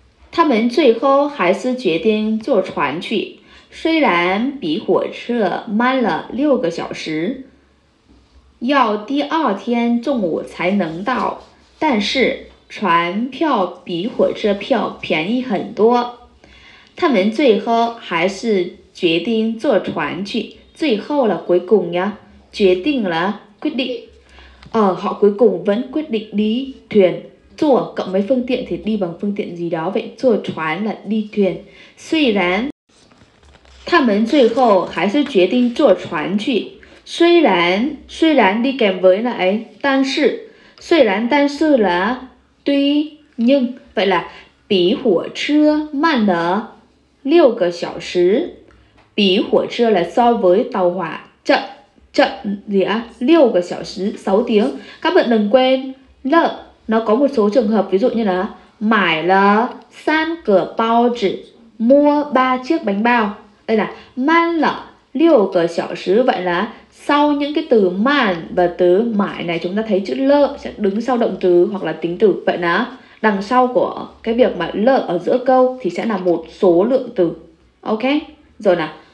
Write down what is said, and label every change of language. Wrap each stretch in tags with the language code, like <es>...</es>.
<zh>他们最后还是决定坐船去，虽然比火车慢了6个小时，要第二天中午才能到，但是船票比火车票便宜很多。他们最后还是决定坐船去，最后了，</zh> <vi>cuối cùng nhá，</vi> <zh>决定了</zh> <vi>，quyết định。 họ cuối cùng vẫn quyết định đi thuyền. 坐 cộng với phương tiện thì đi bằng phương tiện gì đó vậy?</vi> <zh>坐船</zh> <vi>là đi thuyền.</vi> <zh>虽然他们最后还是决定坐船去。虽然</zh> <vi>đi kèm với là ấy,</vi> <zh>但是虽然但是là</zh> <vi>tuy nhưng, vậy là</vi> <zh>比火车慢了六个小时。比火车</zh> <vi>là so với tàu hỏa chậm chậm gì á?</vi> <zh>六个小时</zh> <vi>sáu tiếng. Các bạn đừng quên là nó có một số trường hợp ví dụ như là mải là san cửa bao chỉ mua 3 chiếc bánh bao đây là man là liều cửa sở sứ vậy là sau những cái từ man và từ mải này chúng ta thấy chữ lơ sẽ đứng sau động từ hoặc là tính từ vậy là đằng sau của cái việc mà lơ ở giữa câu thì sẽ là một số lượng từ ok rồi nào</vi>